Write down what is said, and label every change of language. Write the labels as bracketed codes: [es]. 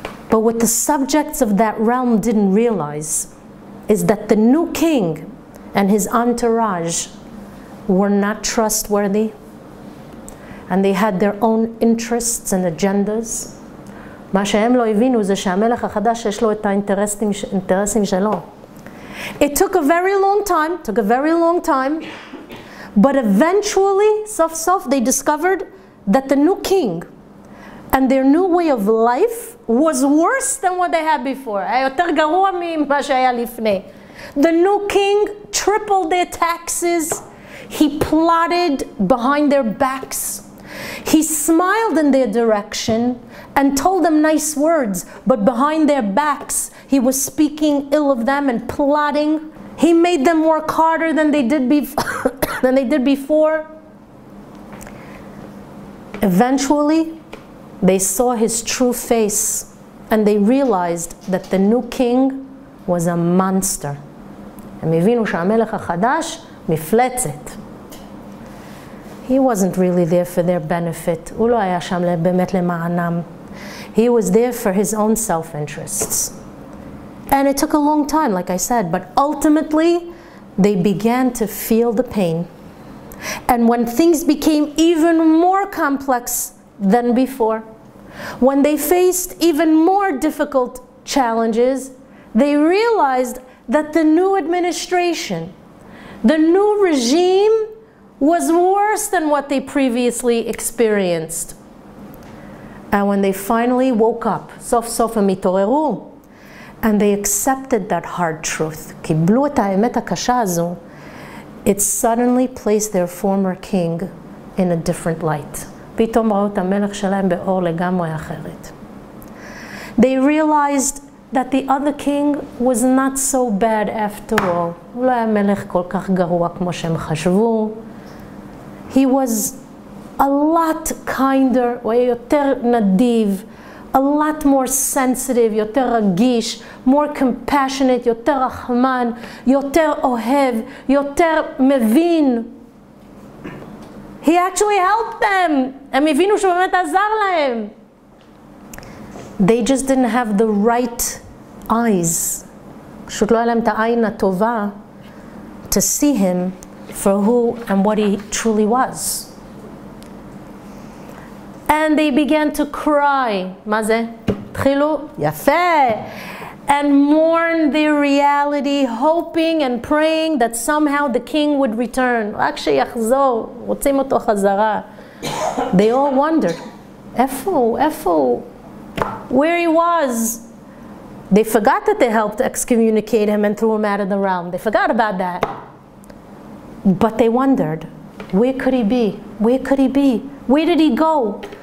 [en] But what the subjects of that realm didn't realize is that the new king and his entourage were not trustworthy, and they had their own interests and agendas. [he] מה שהם לא הבינו זה שהמלך החדש יש לו את האינטרסים שלו. [en] It took a very long time, but eventually, [he] סוף סוף, [en] they discovered that the new king and their new way of life was worse than what they had before. [he] היה יותר גרוע ממה שהיה לפני. [en] The new king tripled their taxes. He plotted behind their backs. He smiled in their direction and told them nice words, but behind their backs, he was speaking ill of them and plotting. He made them work harder than they did before. Eventually, they saw his true face and they realized that the new king was a monster. [he] הם הבינו שהמלך החדש מפלצת. [en] He wasn't really there for their benefit. [he] הוא לא היה שם באמת למענם. [en] He was there for his own self-interests. And it took a long time, like I said, but ultimately they began to feel the pain. And when things became even more complex than before, when they faced even more difficult challenges, they realized that the new administration, the new regime, was worse than what they previously experienced. And when they finally woke up, [he] סוף סוף הם התעוררו, [en] and they accepted that hard truth, [he] קיבלו את האמת הקשה הזו, [en] it suddenly placed their former king in a different light. [he] פתאום ראו את המלך שלהם באור לגמרי אחרת. [en] They realized that the other king was not so bad after all. [he] הוא לא היה מלך כל כך גרוע כמו שהם חשבו. [en] He was a lot kinder, [he] הוא היה יותר נדיב, [en] a lot more sensitive, [he] יותר רגיש, [en] more compassionate, [he] יותר רחמן, יותר אוהב, יותר מבין. [en] He actually helped them. [he] הם הבינו שהוא באמת עזר להם. [en] They just didn't have the right eyes. [he] פשוט לא היה להם את העין הטובה [en] to see him for who and what he truly was. And they began to cry. [he] מה זה? תחילו? יפה! [en] And mourn their reality, hoping and praying that somehow the king would return. [he] רק שיחזור, רוצים אותו חזרה. [en] They all wondered, [he] איפה? [en] Where he was. They forgot that they helped excommunicate him and threw him out of the realm. They forgot about that. But they wondered, where could he be? Where did he go?